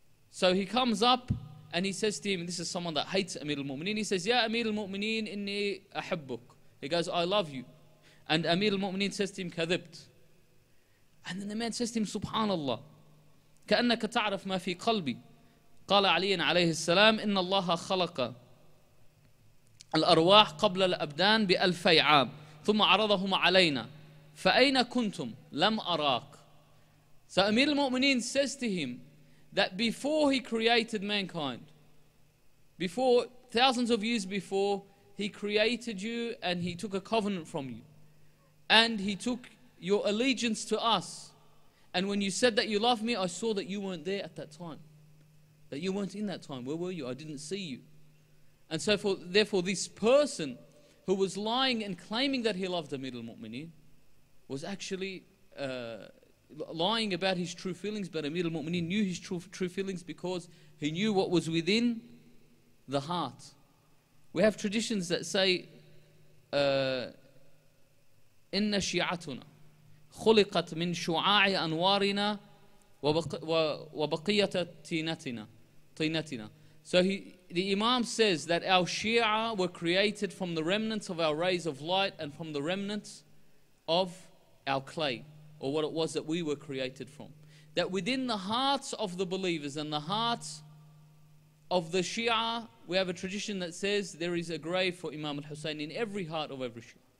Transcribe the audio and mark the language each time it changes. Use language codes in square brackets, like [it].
[en] So he comes up and he says to him, this is someone that hates Amir al-Mu'mineen. He says, ya Amir al-Mu'mineen, [ar] inni ahabbuk. [en] He goes, I love you. And Amir al-Mu'mineen says to him, [ar] kadhibt. [en] And then the man says to him, subhanallah, [ar] كأنك تعرف ما في قلبي. قال علي عليه السلام إن الله خلق الأرواح قبل الأبدان بألفي عام ثم عرضهم علينا فأين كنتم لم أراك. [en] So Amir al-Mu'mineen says to him that before he created mankind, before thousands of years before, he created you and he took a covenant from you and he took your allegiance to us. And when you said that you love me, I saw that you weren't there at that time. That you weren't in that time. Where were you? I didn't see you. And so therefore this person who was lying and claiming that he loved Amir al-Mu'mineen was actually lying about his true feelings, but Amir al-Mu'mineen knew his true feelings because he knew what was within the heart. We have traditions that say, [ar] "Inna shi'atuna." خلقت من شعاع أنوارنا وبقية طينتنا. [en] So the Imam says that our Shia were created from the remnants of our rays of light and from the remnants of our clay, or what it was that we were created from. That within the hearts of the believers and the hearts of the Shia, we have a tradition that says there is a grave for Imam al-Hussein in every heart of every Shia.